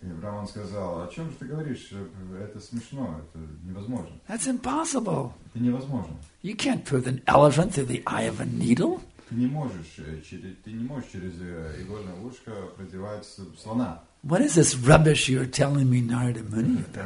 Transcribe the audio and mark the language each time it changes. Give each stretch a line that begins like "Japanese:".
Russian: И Брахман сказал, о чем же ты говоришь? Это смешно, это невозможно.
English: That's impossible.
Russian: Это невозможно.
English: You can't prove an elephant through the eye of a needle.
Russian: ты не можешь через игольное ушко продевать слона.
English: What is this rubbish you're telling me, Narada Muni?